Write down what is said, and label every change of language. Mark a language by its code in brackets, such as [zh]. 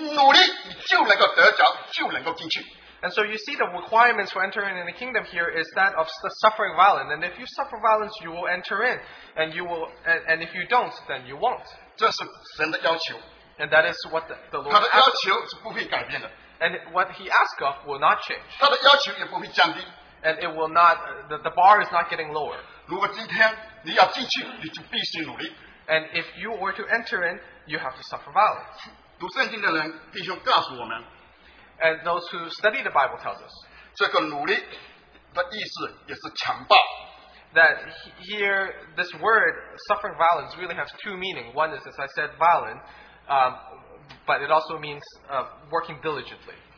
[zh] 神给天国的人今天有一个条件，有一个要求，他的要求就是努力的人，你今天要进天国，你就必须努力。你努力，你就能够得着，就能够进去。 [en] And so you see the requirements for entering in the kingdom here is that of the suffering violence. And if you suffer violence, you will enter in. And you will. And if you don't, then you won't. [zh] 这是神的要求. [en] And that is what the Lord asks. [zh] 他的要求是不会改变的. [en] And what he asks of will not change. [zh] 他的要求也不会降低. [en] And it will not, the bar is not getting lower. [zh] 如果今天你要进去, 你就必须努力. [en] And if you were to enter in, you have to suffer violence. [zh] 读圣经的人, 弟兄告诉我们, [en] and those who study the Bible tells us that here this word suffering violence really has two meanings. One is, as I said, violent, but it also means working diligently.